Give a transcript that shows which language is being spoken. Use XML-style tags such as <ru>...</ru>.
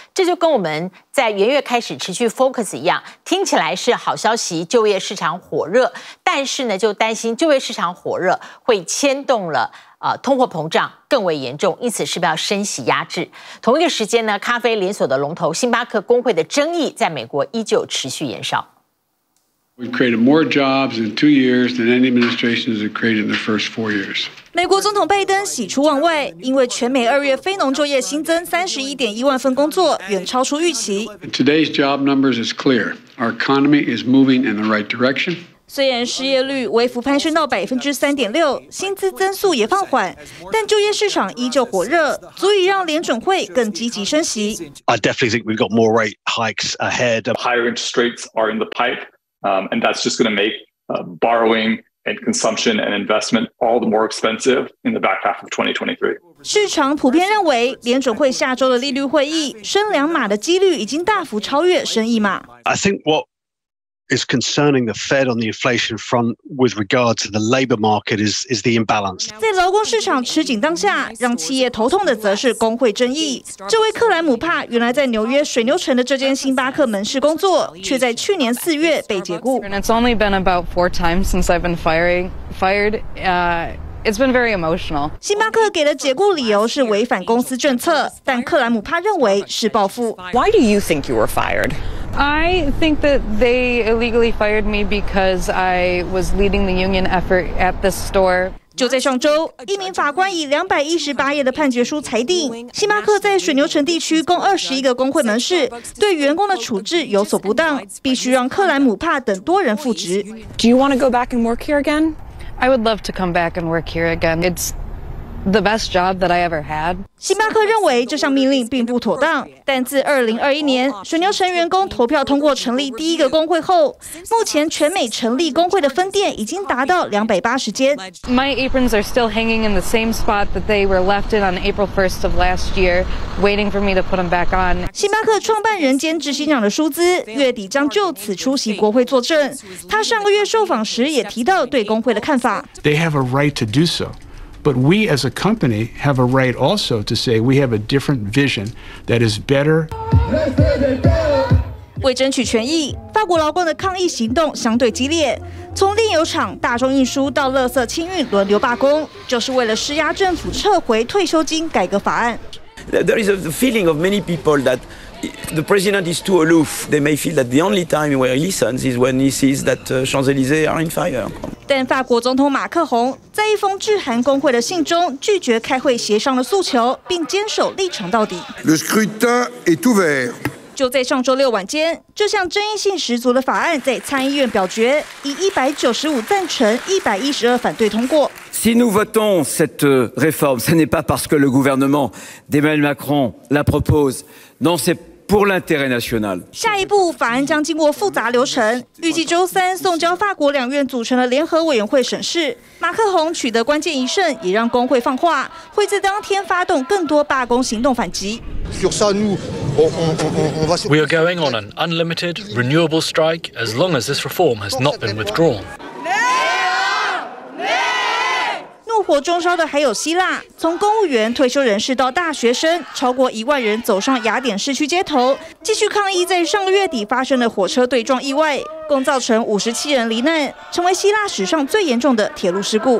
<zh>这就跟我们在元月开始持续 focus 一样，听起来是好消息，就业市场火热。但是呢，就担心就业市场火热会牵动了通货膨胀更为严重，因此是不是要升息压制。同一个时间呢，咖啡连锁的龙头星巴克工会的争议在美国依旧持续延烧。</zh> <en>We've created more jobs in 2 years than any administration has created in the first 4 years.</en> <zh>美国总统拜登喜出望外，因为全美二月非农就业新增31.1万份工作，远超出预期。</zh> <en>Today's job numbers is clear. Our economy is moving in the right direction.</en> <zh>虽然失业率微幅攀升到3.6%，薪资增速也放缓，但就业市场依旧火热，足以让联准会更积极升息。</zh> <en>I definitely think we've got more rate hikes ahead. Higher interest rates are in the pipe, and that's just going to make borrowing and consumption and investment all the more expensive in the back half of 2023.</en> <zh>市场普遍认为，联准会下周的利率会议升两码的几率已经大幅超越升一码。</zh> <en>I think what is concerning the Fed on the inflation front with regard to the labor market is the imbalance.</en> <zh>在劳工市场吃紧当下，让企业头痛的则是工会争议。这位克莱姆帕原来在纽约水牛城的这间星巴克门市工作，却在去年四月被解雇。</zh> <en>And it's only been about 4 times since I've been fired. It's been very emotional.</en> <zh>星巴克给的解雇理由是违反公司政策，但克莱姆帕认为是报复。</zh> <en>Why do you think you were fired? I think that they illegally fired me because I was leading the union effort at this store.</en> <zh>就在上周，一名法官以218页的判决书裁定，星巴克在水牛城地区共21个工会门市对员工的处置有所不当，必须让克莱姆帕等多人复职。</zh> <en>Do you want to go back and work here again? I would love to come back and work here again. It's the best job that I ever had.</en> <zh>星巴克认为这项命令并不妥当，但自2021年水牛城员工投票通过成立第一个工会后，目前全美成立工会的分店已经达到280间。</zh> <en>My aprons are still hanging in the same spot that they were left in on April 1st of last year, waiting for me to put them back on.</en> <zh>星巴克创办人兼执行长的舒兹月底将就此出席国会作证。他上个月受访时也提到对工会的看法。</zh> <en>They have a right to do so. But we as a company have a right also to say we have a different vision that is better.</en> <zh>为争取权益，法国劳工的抗议行动相对激烈，从炼油厂、大众运输到垃圾清运轮流罢工，就是为了施压政府撤回退休金改革法案。</zh> <en>There is a feeling of many people that the president is too aloof. They may feel that the only time where he listens is when he sees that Champs-Élysées are in fire.</en> <zh>但法国总统马克宏在一封致函工会的信中拒绝开会协商的诉求，并坚守立场到底。</zh> <fr>Le scrutin est ouvert。</fr> <zh>就在上周六晚间，这项争议性十足的法案在参议院表决，以195赞成、112反对通过。</zh> <fr>Si nous votons cette réforme, ce n'est pas parce que le gouvernement d'Emmanuel Macron la propose. Non, c'est pour l'intérêt national.</fr> <zh>下一步法案将经过复杂流程，预计周三送交法国两院组成的联合委员会审视。马克宏取得关键一胜，也让工会放话，会在当天发动更多罢工行动反击。</zh> <fr>Sur ça, nous, on</fr> <en>We are going on an unlimited renewable strike as long as this reform has not been withdrawn.</en> <zh>火中烧的还有希腊，从公务员、退休人士到大学生，超过10,000人走上雅典市区街头，继续抗议在上个月底发生的火车对撞意外，共造成57人罹难，成为希腊史上最严重的铁路事故。</zh>